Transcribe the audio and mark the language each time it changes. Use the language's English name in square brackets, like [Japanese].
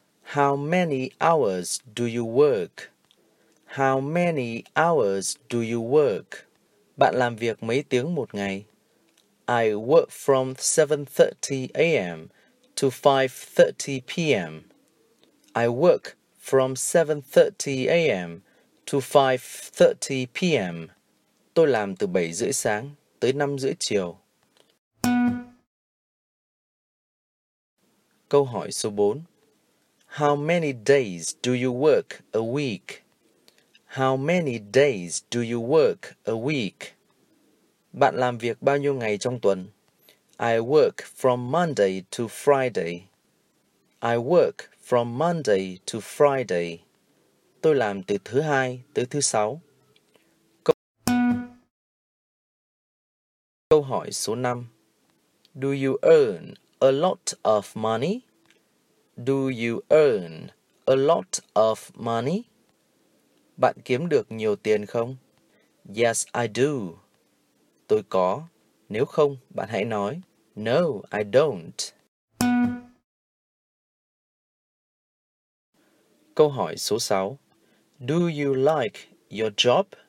[English] How many hours do you work? How many hours do you work? [Vietnamese] Bạn làm việc mấy tiếng một ngày? [English] I work from 7:30 a.m. to 5:30 p.m. I work from 7:30 a.m. to 5:30 p.m. [Vietnamese] Tôi làm từ 7 rưỡi sáng tới 5 rưỡi chiều. Câu hỏi số 4. [English] How many days do you work a week? How many days do you work a week? [Vietnamese] Bạn làm việc bao nhiêu ngày trong tuần? [English] I work from Monday to Friday. I work from Monday to Friday. [Vietnamese] Tôi làm từ thứ hai tới thứ sáu. Câu hỏi số 5. [English] Do you earn a lot of money? Do you earn a lot of money? [Vietnamese] Bạn kiếm được nhiều tiền không? [English] Yes, I do. [Vietnamese] Tôi có. Nếu không, bạn hãy nói. [English] No, I don't. [Vietnamese] Câu hỏi số 6. [English] Do you like your job?